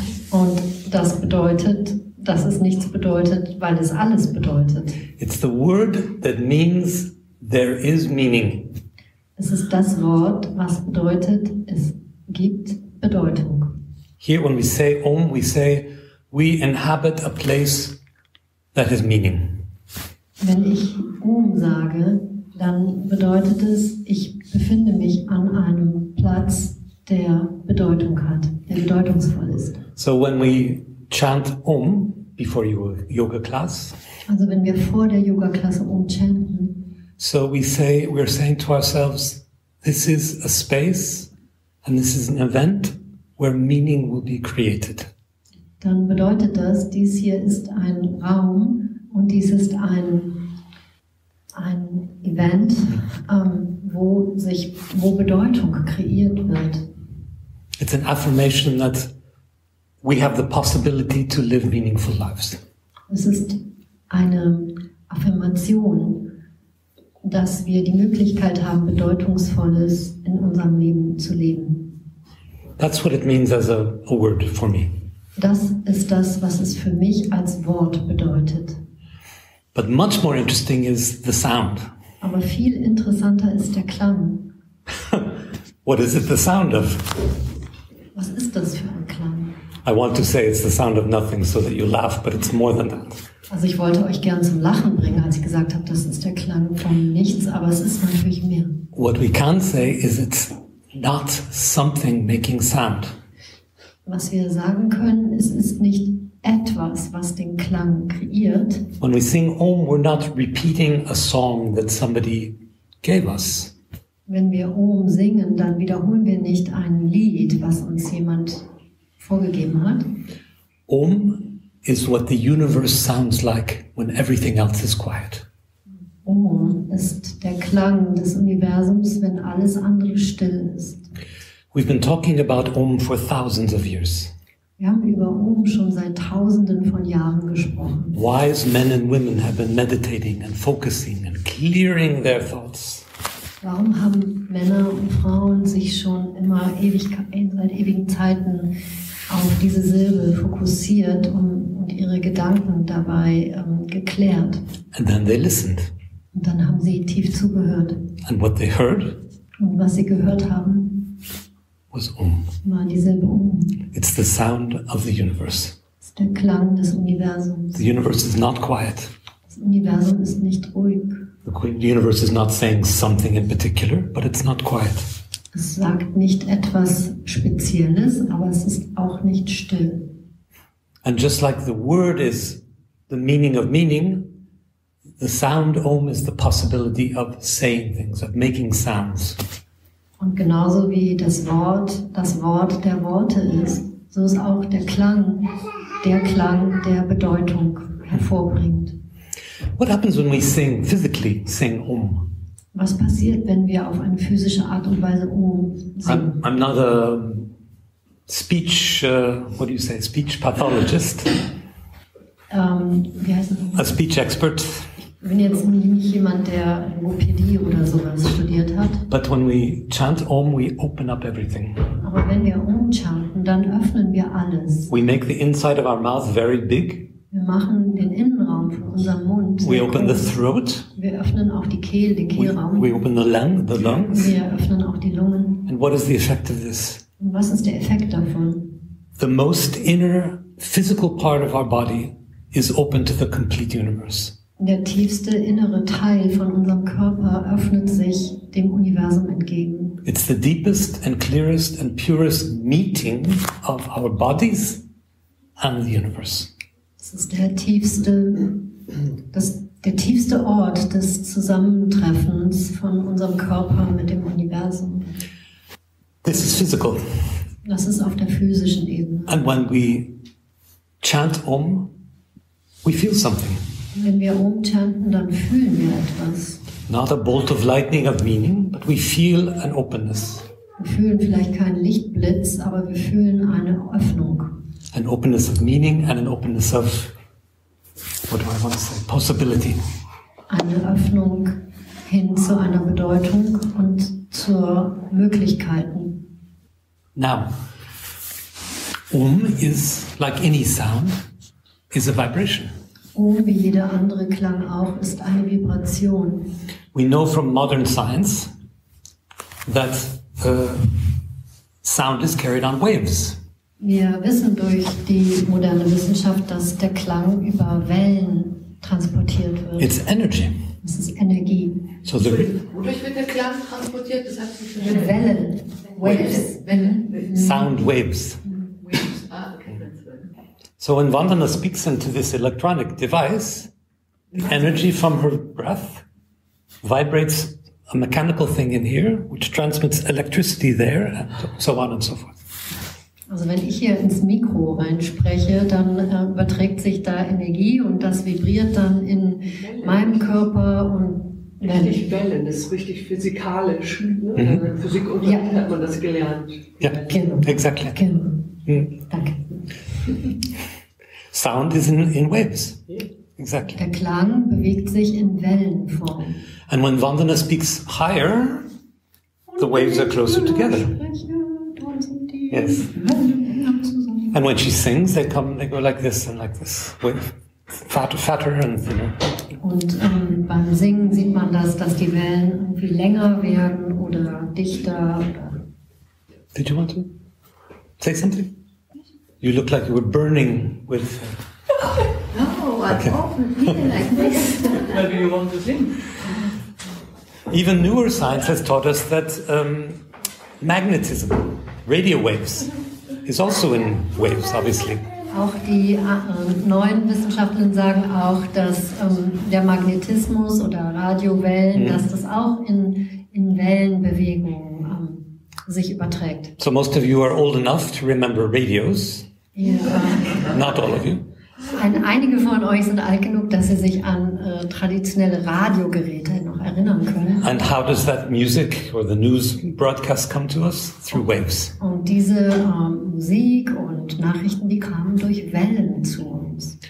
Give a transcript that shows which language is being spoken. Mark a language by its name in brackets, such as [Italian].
[German] Und das bedeutet, dass es nichts bedeutet, weil es alles bedeutet. [English] It's the word that means there is meaning. [German] Es ist das Wort, was bedeutet, es gibt Bedeutung. [English] Here when we say om, we say we inhabit a place that has meaning. [German] Wenn ich om sage, dann bedeutet es, ich befinde mich an einem Platz, der Bedeutung hat, der bedeutungsvoll ist. [English] So when we chant om before your yoga class. [German] Also wenn wir vor der Yoga Klasse om chanten. [English] So we're saying to ourselves, this is a space and this is an event where meaning will be created. [German] Dann bedeutet das, dies hier ist ein Raum und dies ist ein Event, wo Bedeutung kreiert wird. [English] It's an affirmation that we have the possibility to live meaningful lives. [German] Es ist eine Affirmation, dass wir die Möglichkeit haben, Bedeutungsvolles in unserem Leben zu leben. [English] That's what it means as a word for me. [German] Das ist das, was es für mich als Wort bedeutet. [English] But much more interesting is the sound. [German] Aber viel interessanter ist der Klang. [English] What is it the sound of? [German] Was ist das für ein Klang? [English] I want to say it's the sound of nothing so that you laugh, but it's more than that. [German] Also ich wollte euch gern zum Lachen bringen, als ich gesagt habe, das ist der Klang von nichts, aber es ist natürlich mehr. [English] What we can say is it's not something making sound. [German] Was wir sagen können, es ist nicht etwas, was den Klang kreiert. [English] When we sing om, we're not repeating a song that somebody gave us. [German] Wenn wir om singen, dann wiederholen wir nicht ein Lied, was uns jemand vorgegeben hat. [English] Om is what the universe sounds like when everything else is quiet. [German] Om ist der Klang des Universums, wenn alles andere still ist. [English] We've been talking about om for thousands of years. [German] Wir haben über om schon seit tausenden von Jahren gesprochen. [English] Wise men and women have been meditating and focusing and clearing their thoughts. [German] Warum haben Männer und Frauen sich schon immer seit ewigen Zeiten auf diese Silbe fokussiert und ihre Gedanken dabei geklärt? [English] And then they listened. [German] Und dann haben sie tief zugehört. [English] And what they heard, [German] und was sie gehört haben, [English] was om. [German] War die Silbe om. [English] It's the sound of the universe. [German] Es ist der Klang des Universums. [English] The universe is not quiet. [German] Das Universum ist nicht ruhig. [English] The universe is not saying something in particular, but it's not quiet. [German] Es sagt nicht etwas Spezielles, aber es ist auch nicht still. [English] And just like the word is the meaning of meaning, the sound Om is the possibility of saying things, of making sounds. [German] Und genauso wie das Wort der Worte ist, so ist auch der Klang, der Bedeutung hervorbringt. [English] What happens when we sing, physically sing Om? [German] Was passiert, wenn wir auf eine physische Art und Weise Om singen? [English] I'm not a speech, what do you say, speech pathologist. [German] Wie heißt das? [English] A speech expert. [German] Ich bin jetzt nicht jemand, der Logopädie oder sowas studiert hat. [English] But when we chant Om, we open up everything. [German] Aber wenn wir Om chanten, dann öffnen wir alles. [English] We make the inside of our mouth very big. [German] Wir machen den Innenraum von unserem Mund. [English] We open the throat. [German] Wir öffnen auch die Kehle, den Kehlraum. [English] We open the lungs. [German] Wir öffnen auch die Lungen. [English] And what is the effect of this? [German] Und was ist der Effekt davon? [English] The most inner physical part of our body is open to the complete universe. [German] Der tiefste innere Teil von unserem Körper öffnet sich dem Universum entgegen. [English] It's the deepest and clearest and purest meeting of our bodies and the universe. [German] Es ist der tiefste Ort des Zusammentreffens von unserem Körper mit dem Universum. [English] This is physical. [German] Das ist auf der physischen Ebene. [English] And when we chant Om, we feel something. [German] Wenn wir Om chanten, dann fühlen wir etwas. [English] Not a bolt of lightning of meaning, but we feel an openness. [German] Wir fühlen vielleicht keinen Lichtblitz, aber wir fühlen eine Öffnung. [English] An openness of meaning and an openness of, what do I want to say, possibility. [German] Eine Öffnung hin zu einer Bedeutung und zur Möglichkeiten. [English] Now, Om is, like any sound, is a vibration. [German] Om, wie jeder andere Klang auch, ist eine Vibration. [English] We know from modern science that sound is carried on waves. [German] Wir wissen durch die moderne Wissenschaft, dass der Klang über Wellen transportiert wird. [English] It's energy. [German] Es ist Energie. So wodurch wird der Klang transportiert? Das heißt, mit Wellen. [English] Waves. [German] Wellen. [English] Sound waves. Waves. Ah, okay. So when Vandana speaks into this electronic device, the energy from her breath vibrates a mechanical thing in here, which transmits electricity there, and so on and so forth. [German] Also wenn ich hier ins Mikro reinspreche, dann überträgt sich da Energie und das vibriert dann in meinem Körper und richtig Wellen, das ist richtig physikalisch. Mhm. Physik und ja. Hat man das gelernt. Ja, genau. [English] Exactly. [German] Genau. Mhm. Danke. [English] Sound is in waves. Exactly. [German] Der Klang bewegt sich in Wellenform. [English] And when Vandana speaks higher, the waves are closer together. Yes. And when she sings, they come, they go like this and like this, fatter and thinner. [German] Und beim Singen sieht man das, dass die Wellen irgendwie länger werden oder dichter. [English] Did you want to say something? You look like you were burning with. No, I'm often feeling like this. Maybe you want to sing. Even newer science has taught us that magnetism. Radio waves is also in waves, obviously. [German] Auch die neuen Wissenschaftler sagen auch, dass der Magnetismus oder Radiowellen, dass das auch in Wellenbewegungen sich überträgt. [English] So most of you are old enough to remember radios. Yeah. Not all of you. [German] Einige von euch sind alt genug, dass sie sich an traditionelle Radiogeräte noch erinnern können. [English] And how does that music or the news broadcast come to us? Through waves. [German] Und diese Musik und Nachrichten, die kamen durch Wellen zu uns.